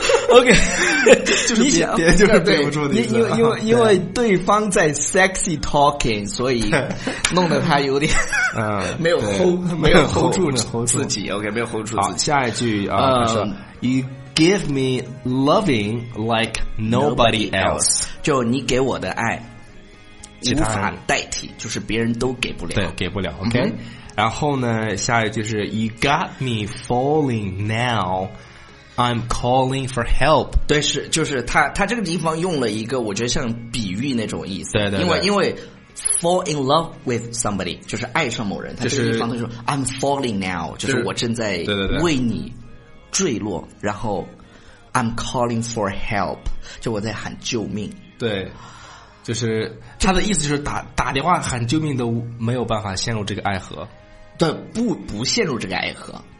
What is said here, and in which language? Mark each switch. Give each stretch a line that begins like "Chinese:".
English: OK,
Chinese: 就是憋不住的意思。因为对方在 sexy talking, 所以弄得他有点没有 hold 住自己。OK, 没有 hold 住自己。好，下一句啊，说
English: You give me loving like nobody else.
Chinese: 就你给我的爱无法代替，就是别人都给不了。对，给不了。 OK,、嗯、然后呢，下一句是
English: You got me falling now. I'm calling for help.
Chinese: 对，是就是他这个地方用了一个我觉得像比喻那种意思。对 对, 对。因为
English: fall in love with somebody,
Chinese: 就是爱上某人。他这个地方就说、是、
English: I'm falling now,
Chinese: 就是我正在为你坠落，对对对，然后
English: I'm calling for help,
Chinese: 就我在喊救命。对。就是他的意思就是打电话喊救命都没有办法陷入这个爱河。对，不陷入这个爱河。